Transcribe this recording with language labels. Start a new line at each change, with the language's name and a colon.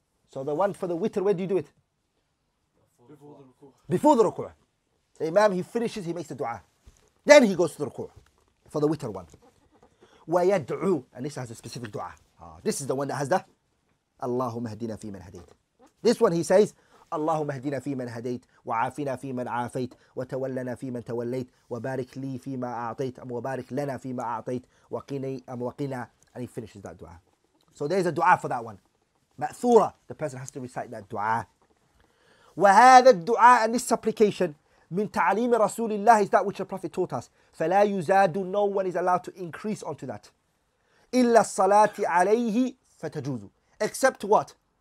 English: So the one for the witr, where do you do it? Before the ruku'. Before the ruku'. The imam, he finishes, he makes the dua. Then he goes to the ruku' for the witr one.
Arabic: ويدعو,
English: and this has a specific dua. This is the one that has the
Arabic: اللهم اهدنا في من هديت.
English: This one he says,
Arabic: اللهم اهدنا في من هديت وعافنا في من عافيت وتولنا في من توليت وبارك لي فيما أعطيت أم وبارك لنا فيما أعطيت وقني أم وقنا,
English: and he finishes that dua. So there is a dua for that one. مأثورة, the person has to recite that dua.
Arabic: وهذا الدعاء,
English: and this supplication,
Arabic: من تعليم رسول الله,
English: is that which the Prophet taught us.
Arabic: فلا يزاد,
English: no one is allowed to increase onto that.
Arabic: إلا الصلاة عليه فتجوز.
English: Except what?